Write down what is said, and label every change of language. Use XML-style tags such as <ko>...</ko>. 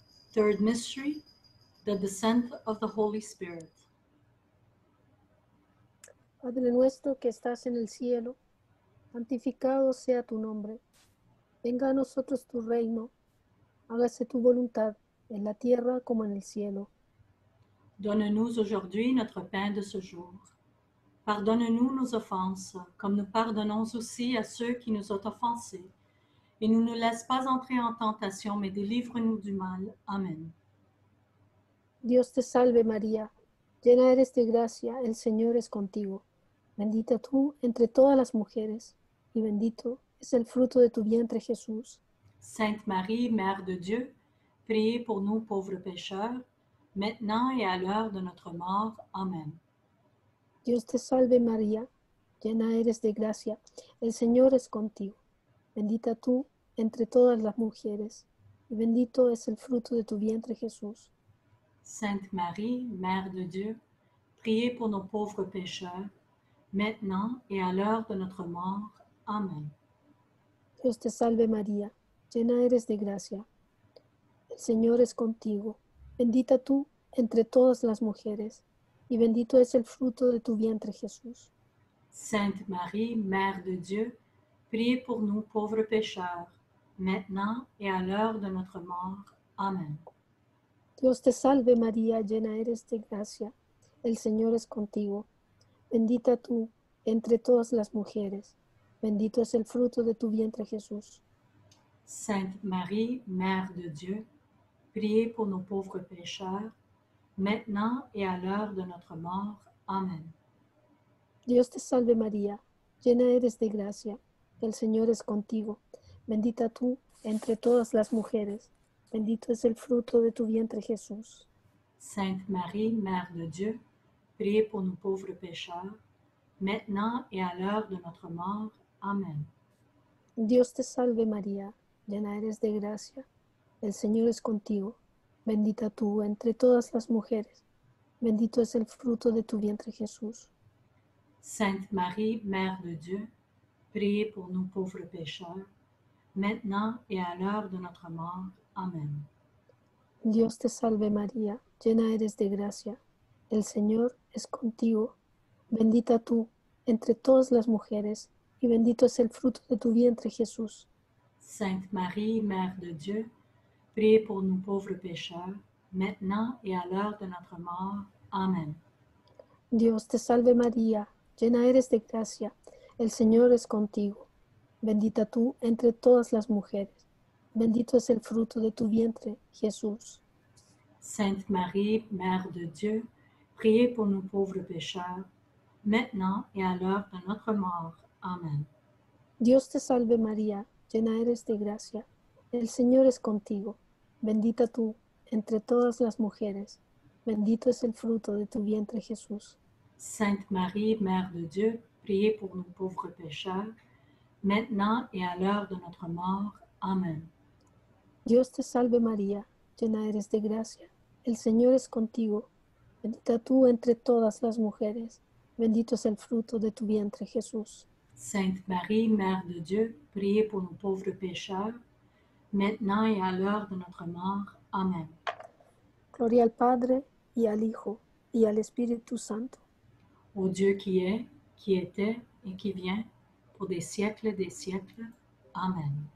<en>Third mystery, the descent of the Holy Spirit.</en> <es>Padre nuestro que estás en el cielo, santificado sea tu nombre. Venga a nosotros tu reino, hágase tu voluntad en la tierra como en el cielo.</es> <fr>Donne-nous aujourd'hui notre pain de ce jour. Pardonne-nous nos offenses, comme nous pardonnons aussi à ceux qui nous ont offensés. Et ne nous laisse pas entrer en tentation, mais délivre-nous du mal. Amen.</fr> <es>Dios te salve, María. Llena eres de gracia, el Señor es contigo. Bendita tú entre todas las mujeres, y bendito es el fruto de tu vientre, Jesús.</es> <fr>Sainte Marie, Mère de Dieu, priez pour nous pauvres pécheurs, maintenant et à l'heure de notre mort. Amen.</fr> <es>Dios te salve, María, llena eres de gracia, el Señor es contigo. Bendita tú entre todas las mujeres, y bendito es el fruto de tu vientre, Jesús.</es> <fr>Sainte Marie, Mère de Dieu, priez pour nos pauvres pécheurs, maintenant et à l'heure de notre mort. Amen.</fr> <es>Dios te salve, María, llena eres de gracia. El Señor es contigo. Bendita tú entre todas las mujeres, y bendito es el fruto de tu vientre, Jesús.</es> <fr>Sainte Marie, Mère de Dieu, priez pour nous pauvres pécheurs, maintenant et à l'heure de notre mort. Amen.</fr> <es>Dios te salve, María, llena eres de gracia. El Señor es contigo. Bendita tú entre todas las mujeres. Bendito es el fruto de tu vientre, Jesús.</es> <fr>Sainte Marie, Mère de Dieu, priez pour nos pauvres pécheurs, maintenant et à l'heure de notre mort. Amen.</fr> <es>Dios te salve, María, llena eres de gracia. El Señor es contigo. Bendita tú entre todas las mujeres. Bendito es el fruto de tu vientre, Jesús.</es> <fr>Sainte Marie, Mère de Dieu, priez pour nous pauvres pécheurs, maintenant et à l'heure de notre mort. Amen.</fr> <es>Dios te salve, María, llena eres de gracia. El Señor es contigo. Bendita tú entre todas las mujeres. Bendito es el fruto de tu vientre, Jesús.</es> <fr>Sainte Marie, Mère de Dieu, priez pour nous pauvres pécheurs, maintenant et à l'heure de notre mort. Amen.</fr> <es>Dios te salve, María, llena eres de gracia. El Señor es contigo. Bendita tú entre todas las mujeres, y bendito es el fruto de tu vientre, Jesús.</es> <fr>Sainte Marie, Mère de Dieu, priez pour nous pauvres pécheurs, maintenant et à l'heure de notre mort. Amen.</fr> <es>Dios te salve, María, llena eres de gracia. El Señor es contigo. Bendita tú entre todas las mujeres. Bendito es el fruto de tu vientre, Jesús.</es> <fr>Sainte Marie, Mère de Dieu, priez pour nous pauvres pécheurs, maintenant et à l'heure de notre mort. Amen.</fr> <es>Dios te salve, María, llena eres de gracia. El Señor es contigo. Bendita tú entre todas las mujeres. Bendito es el fruto de tu vientre, Jesús.</es> <fr>Sainte Marie, Mère de Dieu, priez pour nous pauvres pécheurs, maintenant et à l'heure de notre mort. Amen.</fr> <es>Dios te salve, María, llena eres de gracia. El Señor es contigo. Bendita tú entre todas las mujeres. Bendito es el fruto de tu vientre, Jesús.</es> <fr>Sainte Marie, Mère de Dieu, priez pour nous pauvres pécheurs, maintenant et à l'heure de notre mort. Amen.</fr> <es>Gloria al Padre, y al Hijo, y al Espíritu Santo.</es> <fr>Ô Dieu qui est, qui était et qui vient, pour des siècles, Amen.</fr>